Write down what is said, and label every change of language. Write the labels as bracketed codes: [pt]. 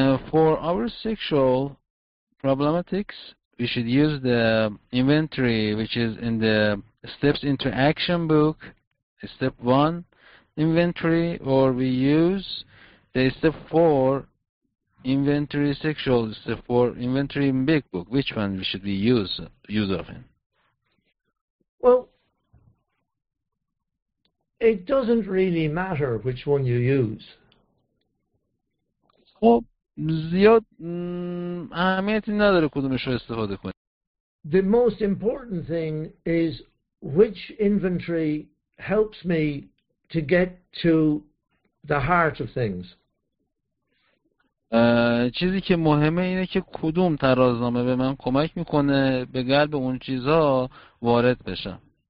[en] For our sexual problematics, we should use the inventory which is in the steps into action book, step 1 inventory, or we use the step 4 inventory sexual, step 4 inventory in big book. Which one should we use of him? Well, it doesn't really matter which one you use. [fa] خب زیاد اهمیتی نداره کدومش رو استفاده کنی. [en] The most important thing is which inventory helps me to get to the heart of things. [fa] چیزی که مهمه اینه که کدوم ترازنامه به من کمک میکنه به قلب اون چیزها وارد بشم.